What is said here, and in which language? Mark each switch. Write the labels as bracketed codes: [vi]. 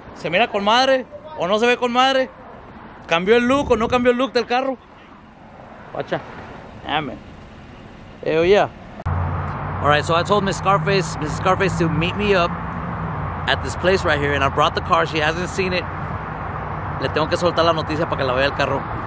[es] ¿Se mira con madre o no se ve con madre? ¿Cambió el look o no cambió el look del carro? [en] Watcha. Amen. Hell yeah. All right, so I told Mrs. Scarface to meet me up at this place right here, and I brought the car. She hasn't seen it. [es] Le tengo que soltar la noticia para que la vea el carro.